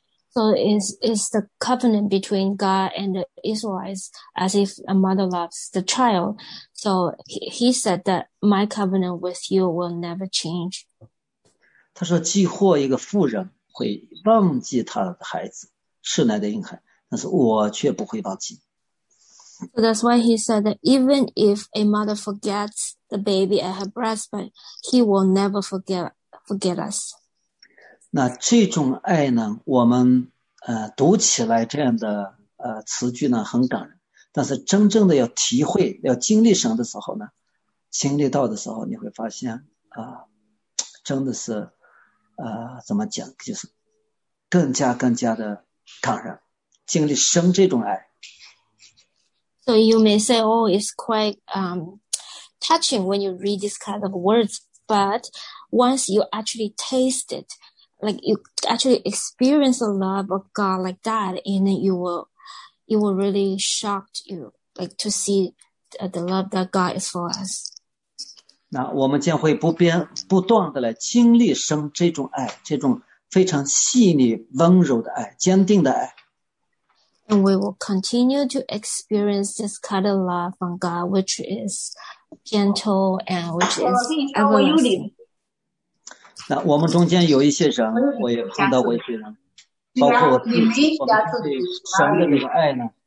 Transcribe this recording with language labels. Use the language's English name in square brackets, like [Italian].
[English] So is the covenant between God and the Israelites as if a mother loves the child. So he said that my covenant with you will never change. [Chinese] 他说：“既或一个妇人会忘记她的孩子，吃奶的婴孩，但是我却不会忘记。 [English] So that's why he said that even if a mother forgets the baby at her breast, but he will never forget us. [Chinese] 那这种爱呢？我们读起来这样的词句呢，很感人。但是真正的要体会、要经历神的时候呢，经历到的时候，你会发现真的是。” 怎么讲？就是更加的感人，经历生这种爱。 [English] So you may say, oh, it's quite touching when you read this kind of words, but once you actually taste it, like you actually experience the love of God like that, and then it will really shocked you, like to see the love that God is for us. [Chinese] 那我们将会不边不断的来经历生这种爱，这种非常细腻、温柔的爱，坚定的爱。 [English] And we will continue to experience this kind of love from God, which is gentle and which is everlasting. [Chinese] 那我们中间有一些人，我也碰到过一些人，包括我自己，我们对神的这个爱呢，